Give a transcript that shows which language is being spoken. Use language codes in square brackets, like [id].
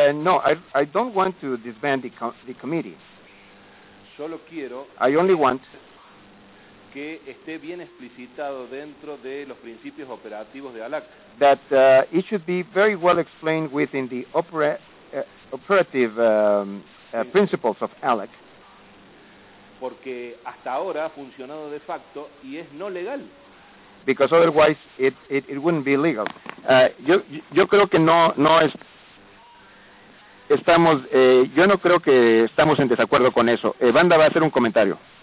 [en] No, I don't want to disband the committee. [es] Solo quiero. [en] I only want [es] que esté bien explicitado dentro de los principios operativos de ALAC. [en] That it should be very well explained within the operative principles of ALAC. [es] Porque hasta ahora ha funcionado de facto y es no legal. [en] Because otherwise it wouldn't be legal. [es] Yo creo que no es, estamos, yo no creo que estamos en desacuerdo con eso. Banda va a hacer un comentario.